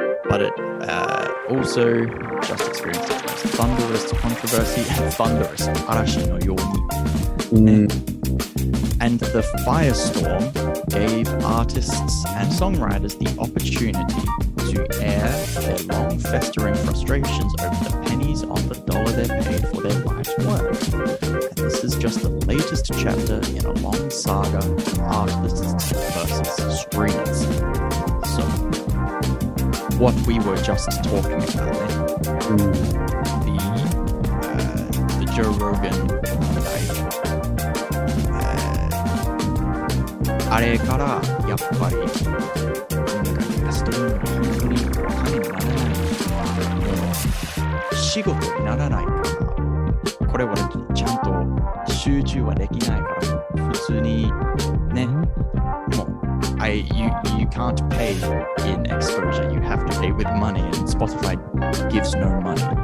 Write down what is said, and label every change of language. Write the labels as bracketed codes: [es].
[en] But it, also just experienced its most thunderous controversy and thunderous [ja] 嵐のように、 [en] And the firestorm gave artists and songwriters the opportunity to air their long festering frustrations over the pennies on the dollar they paid for their life's work. And this is just the latest chapter in a long saga of artists versus streamers. So,What we were just talking about, then. [ja] The Joe Rogan, あれからやっぱりなんかストリームが本当にお金にならないから、もう仕事にならないから、これはちゃんと集中はできないから、普通にね、もう。 [en] You can't pay in exposure. You have to pay with money, and Spotify gives no money.